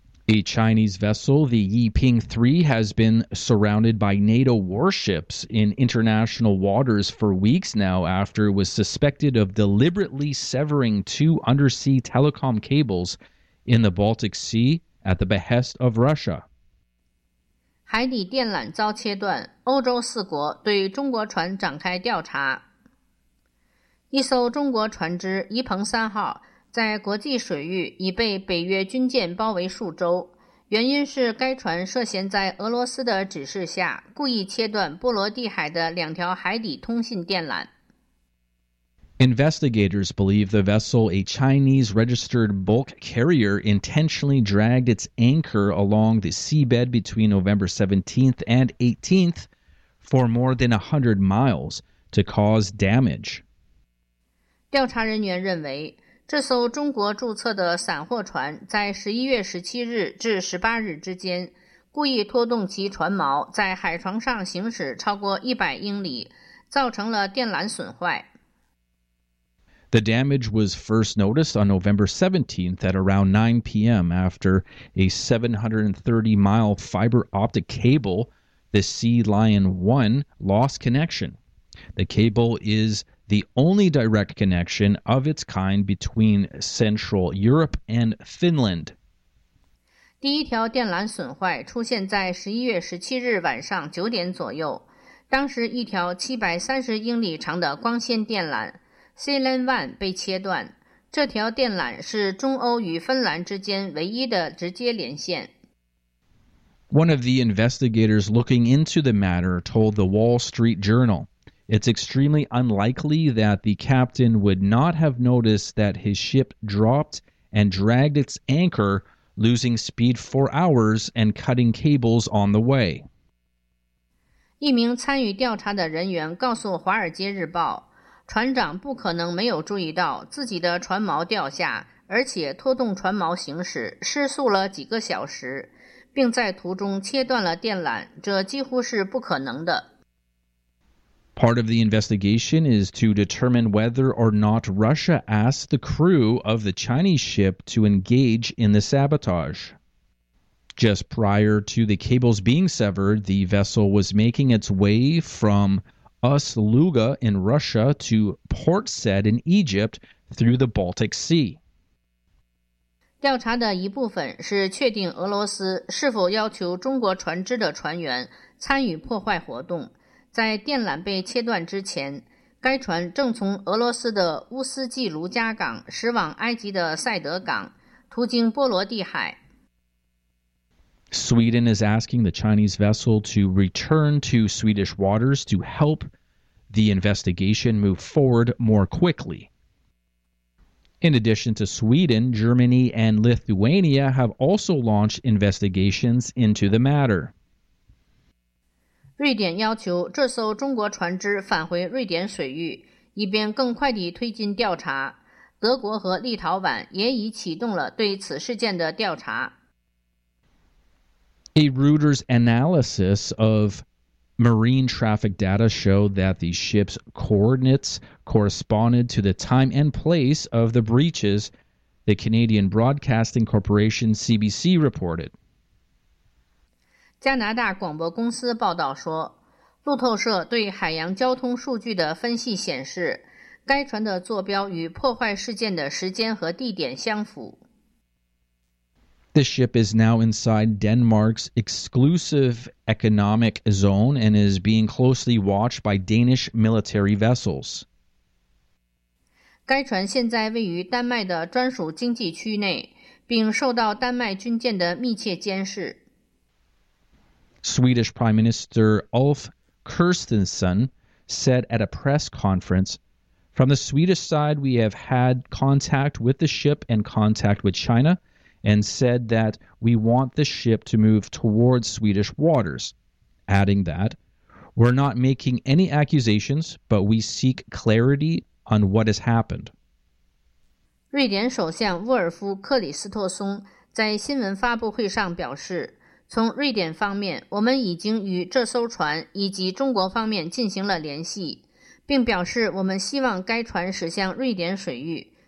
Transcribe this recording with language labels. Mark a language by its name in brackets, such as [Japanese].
[English] A Chinese vessel, the Yiping 3, has been surrounded by NATO warships in international waters for weeks now after it was suspected of deliberately severing two undersea telecom cables in the Baltic Sea at the behest of Russia. [Chinese] 海底电缆遭切断，欧洲四国对中国船展开调查。一艘中国船只伊鹏三号在国际水域已被北约军舰包围数周，原因是该船涉嫌在俄罗斯的指示下故意切断波罗的海的两条海底通信电缆。 [English] Investigators believe the vessel, a Chinese-registered bulk carrier, intentionally dragged its anchor along the seabed between November 17th and 18th for more than 100 miles to cause damage. [Chinese] 调查人员认为，这艘中国注册的散货船在11月17日至18日之间故意拖动其船锚在海床上行驶超过100英里，造成了电缆损坏。 [English] The damage was first noticed on November 17th at around 9 p.m. after a 730-mile fiber optic cable, the Sea Lion 1, lost connection. The cable is the only direct connection of its kind between Central Europe and Finland. [Chinese] 第一条电缆损坏出现在11月17日晚上9点左右，当时一条730英里长的光纤电缆Sea Lion 1 被切断，这条电缆是中欧与芬兰之间唯一的直接连线。 [English] One of the investigators looking into the matter told the Wall Street Journal, "It's extremely unlikely that the captain would not have noticed that his ship dropped and dragged its anchor, losing speed for hours and cutting cables on the way." [Chinese] 一名参与调查的人员告诉《华尔街日报》，船长不可能没有注意到自己的船锚掉下，而且拖动船锚行驶，失速了几个小时，并在途中切断了电缆，这几乎是不可能的。 [English] Part of the investigation is to determine whether or not Russia asked the crew of the Chinese ship to engage in the sabotage. Just prior to the cables being severed, the vessel was making its way from Ust-Luga in Russia to Port Said in Egypt through the Baltic Sea. [Chinese] 调查的一部分是确定俄罗斯是否要求中国船只的船员参与破坏活动。在电缆被切断之前，该船正从俄罗斯的乌斯季卢加港驶往埃及的塞德港，途经波罗的海。 [English] Sweden is asking the Chinese vessel to return to Swedish waters to help the investigation move forward more quickly. In addition to Sweden, Germany and Lithuania have also launched investigations into the matter. [Chinese] 瑞典要求这艘中国船只返回瑞典水域，以便更快地推进调查。德国和立陶宛也已启动了对此事件的调查。 [English] A Reuters analysis of marine traffic data showed that the ship's coordinates corresponded to the time and place of the breaches, the Canadian Broadcasting Corporation CBC reported. [Chinese] 加拿大广播公司报道说，路透社对海洋交通数据的分析显示，该船的坐标与破坏事件的时间和地点相符。 [English] The ship is now inside Denmark's exclusive economic zone and is being closely watched by Danish military vessels. [Chinese] 该船现在位于丹麦的专属经济区内，并受到丹麦军舰的密切监视。 [English] Swedish Prime Minister Ulf Kristersson said at a press conference, "From the Swedish side, we have had contact with the ship and contact with China." And said that we want the ship to move towards Swedish waters, adding that we're not making any accusations, but we seek clarity on what has happened. [Chinese] 瑞典首相沃尔夫·克里斯托松在新闻发布会上表示，从瑞典方面，我们已经与这艘船以及中国方面进行了联系，并表示我们希望该船驶向瑞典水域。